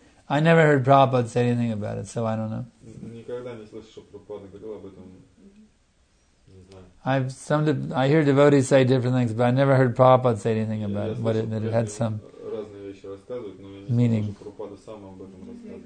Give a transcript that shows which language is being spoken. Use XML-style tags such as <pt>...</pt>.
<en>I never heard Prabhupada say anything about it, so I don't know.</en> <ru>Никогда не слышал, что Прабхупада говорил об этом. Не знаю.</ru> <en>I hear devotees say different things, but I never heard Prabhupada say anything about it. But it had some</en> <ru>разные вещи рассказывают, но я не слышал, что Прабхупада сам об этом рассказывал.</ru>